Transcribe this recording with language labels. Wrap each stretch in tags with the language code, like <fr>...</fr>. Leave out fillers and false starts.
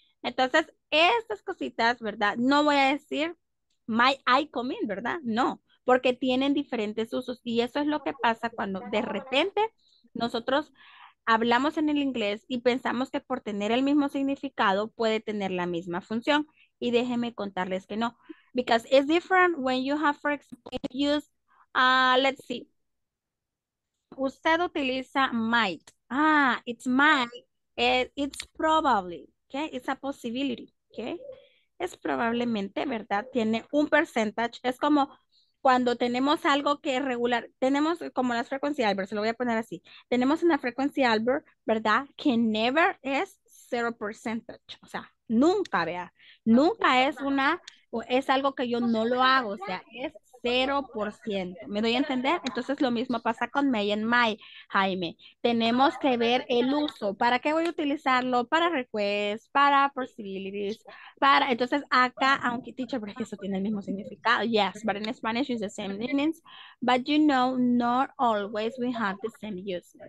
<es>Entonces, estas cositas, ¿verdad? No voy a decir,</es> <en>may I come in,</en> <es>¿verdad? No. porque tienen diferentes usos. Y eso es lo que pasa cuando de repente nosotros hablamos en el inglés y pensamos que por tener el mismo significado puede tener la misma función. Y déjenme contarles que no.</es> <en>Because it's different when you have, for example, use, let's see.</en> <es>Usted utiliza might. Ah,</es> <en>it's might. It's probably. Okay, it's a possibility. Okay,</en> <es>es probablemente, ¿verdad? Tiene un percentage. Es como cuando tenemos algo que es regular. Tenemos como las frecuencias Albert, se lo voy a poner así. Tenemos una frecuencia Albert, ¿verdad? Que never es 0%. O sea, nunca, vea. Nunca es una, es algo que yo no lo hago. O sea, es 0%. ¿Me doy a entender? Entonces, lo mismo pasa con may and my, Jaime. Tenemos que ver el uso. ¿Para qué voy a utilizarlo? Para requests, para possibilities, para... Entonces, acá, aunque teacher, pero es que eso tiene el mismo significado.</es> <en>Yes, but in Spanish, it's the same meanings. But you know, not always we have the same use.</en>